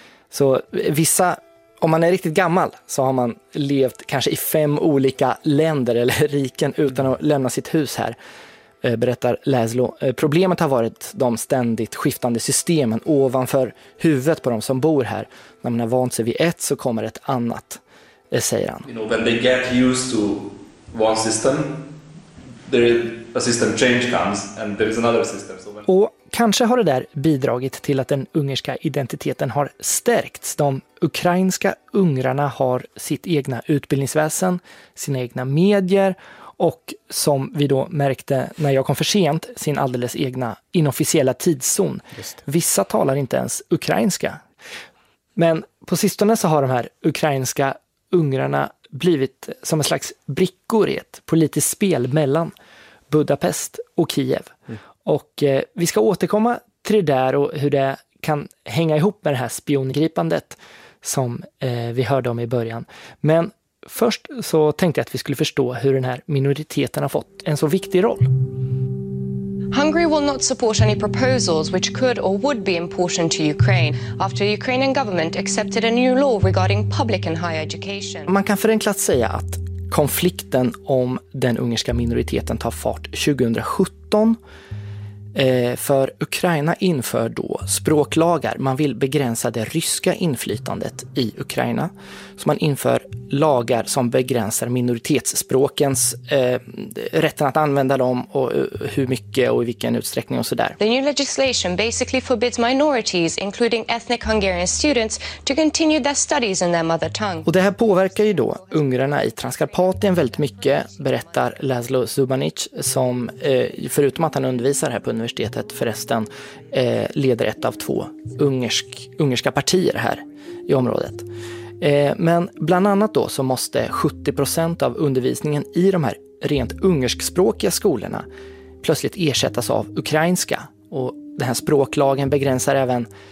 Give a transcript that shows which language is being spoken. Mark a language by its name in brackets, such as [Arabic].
[Swedish] Så vissa, om man är riktigt gammal, så har man levt kanske i 5 olika länder eller riken utan att lämna sitt hus här, berättar Laszlo. Problemet har varit de ständigt skiftande systemen ovanför huvudet på de som bor här. När man har vant sig vid ett så kommer ett annat, säger han. [English] You know, when they get used to one system, there is a system change comes and there is another system. So [Swedish] when... Och kanske har det där bidragit till att den ungerska identiteten har stärkts. De ukrainska ungrarna har sitt egna utbildningsväsen, sina egna medier och, som vi då märkte när jag kom för sent, sin alldeles egna inofficiella tidszon. Vissa talar inte ens ukrainska. Men på sistone så har de här ukrainska ungrarna blivit som en slags brickor i ett politiskt spel mellan Budapest och Kiev. Och vi ska återkomma till det där och hur det kan hänga ihop med det här spiongripandet som vi hörde om i början. Men först så tänkte jag att vi skulle förstå hur den här minoriteten har fått en så viktig roll. [English] Hungary will not support any proposals which could or would be important to Ukraine after the Ukrainian government accepted a new law regarding public and higher education. [Swedish] Man kan förenklat säga att konflikten om den ungerska minoriteten tar fart 2017. För Ukraina inför då språklagar. Man vill begränsa det ryska inflytandet i Ukraina. Så man inför lagar som begränsar minoritetsspråkens rätten att använda dem, och hur mycket och i vilken utsträckning och sådär. [English] The new legislation basically forbids minorities, including ethnic Hungarian students, to continue their studies in their mother tongue. [Swedish] Och det här påverkar ju då ungrarna i Transkarpatien väldigt mycket, berättar Laszlo Zubanic, som förutom att han undervisar här på universitetet förresten, leder ett av 2 ungerska partier här i området. Men bland annat då så måste 70% av undervisningen i de här rent ungerskspråkiga skolorna plötsligt ersättas av ukrainska. Och den här språklagen begränsar även